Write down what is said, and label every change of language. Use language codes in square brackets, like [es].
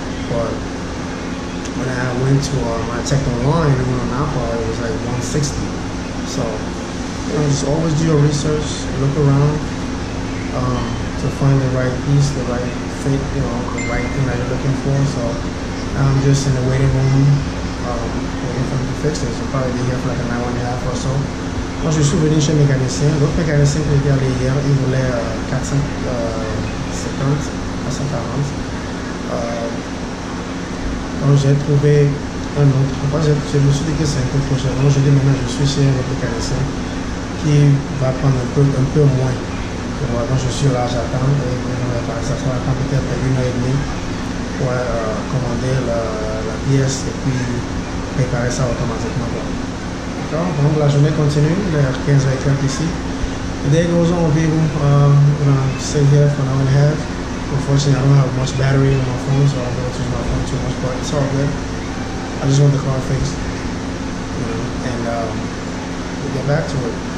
[en] But when I went to my tech online and went on Apple, it was like $160. So. You know, just always do your research, look around to find the right piece, the right fit, you know, the right thing that you're looking for. So I'm just in the waiting room waiting for them to fix it. So probably be here for like an hour and a half or so. [fr] Moi, je suis venu chez mécanicien. L'autre mécanicien que j'ai allé hier, il voulait 440. Donc j'ai trouvé un autre. Je me suis dit que c'est un peu trop cher. Donc je dis maintenant, je suis chez un mécanicien. Qui va prendre un peu moins. Et moi, quand je suis là, j'attends et on va passer sur la quantité après 1h30 pour commander la pièce et puis préparer ça automatiquement. D'accord? Donc la journée continue, il est 15h30 ici. [en] The day goes on, we're sit here for an hour and a half. Unfortunately, I don't have much battery on my phone, so I don't want to use my phone too much, but it's all good. I just want the car fixed. You know, and we'll get back to it.